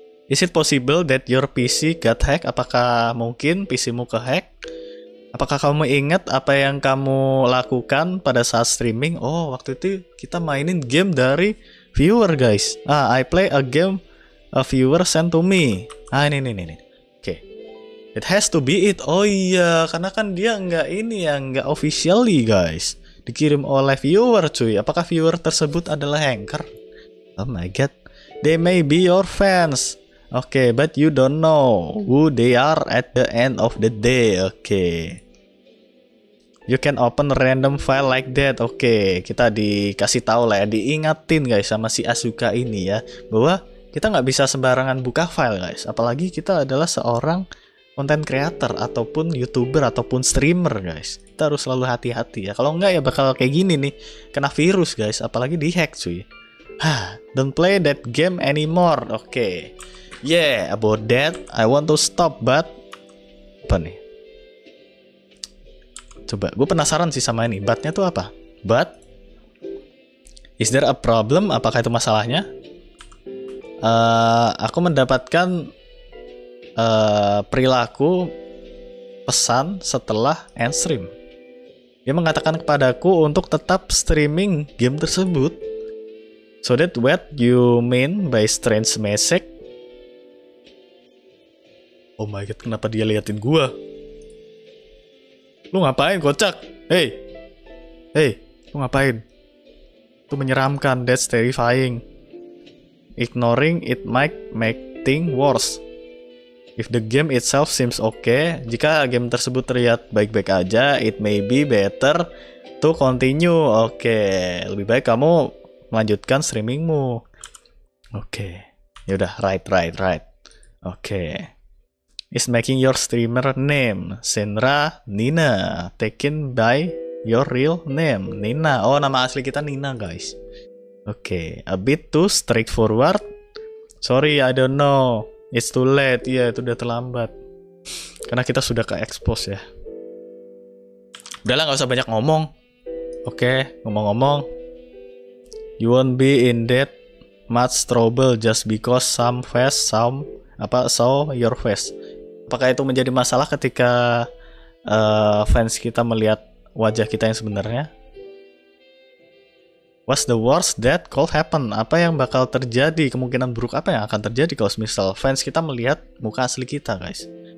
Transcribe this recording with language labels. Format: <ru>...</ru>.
<en>Is it possible that your PC got hacked?</en> <id>Apakah mungkin PC-mu kehack? Apakah kamu ingat apa yang kamu lakukan pada saat streaming? Oh, waktu itu kita mainin game dari viewer, guys.</id> <en>Ah, I play a game a viewer sent to me. Ah, ini. Oke. Okay. It has to be it.</en> <id>Oh iya, karena kan dia nggak ini ya, nggak officially, guys. Dikirim oleh viewer, cuy. Apakah viewer tersebut adalah hacker?</id> <en>Oh my god. They may be your fans. Okay, but you don't know who they are at the end of the day. Okay. You can open random file like that.</en> <id>Okay, kita dikasih tahu lah ya, diingatin guys sama si Asuka ini ya, bahwa kita nggak bisa sembarangan buka file, guys. Apalagi kita adalah seorang content creator ataupun YouTuber ataupun streamer, guys. Kita harus selalu hati-hati ya. Kalau nggak ya bakal kayak gini nih, kena virus, guys, apalagi dihack, cuy.</id> <en>Don't play that game anymore. Okay. Yeah, about that, I want to stop, but</en> <id>apa nih? Coba, gue penasaran sih sama ini. But-nya tuh apa?</id> <en>But is there a problem?</en> <id>Apakah itu masalahnya? Aku mendapatkan perilaku pesan setelah end stream. Dia mengatakan kepadaku untuk tetap streaming game tersebut.</id> <en>So that what you mean by strange message?</en> <id>Oh my god, kenapa dia liatin gua? Lu ngapain, kocak? Hey, lu ngapain? Itu menyeramkan,</id> <en>that's terrifying. Ignoring it might make things worse. If the game itself seems okay,</en> <id>jika game tersebut terlihat baik-baik aja,</id> <en>it may be better to continue.</en> <id>Okay, lebih baik kamu melanjutkan streamingmu.</id> <en>Okay, yaudah, right. Okay. Is making your streamer name Senra Nina, taken by your real name Nina. Oh,</en> <id>nama asli kita Nina,</id> <en>guys. Okay, a bit too straightforward. Sorry, I don't know. It's too late.</en> <id>Iya, itu udah terlambat. Karena kita sudah ke-expose ya. Udahlah, gak usah banyak ngomong.</id> <en>Okay,</en> <id>ngomong-ngomong,</id> <en>you won't be in that much trouble just because saw your face.</en> <id>Apakah itu menjadi masalah ketika fans kita melihat wajah kita yang sebenarnya?</id> <en>What's the worst that could happen?</en> <id>Apa yang bakal terjadi? Kemungkinan buruk apa yang akan terjadi kalau misal fans kita melihat muka asli kita, guys?</id>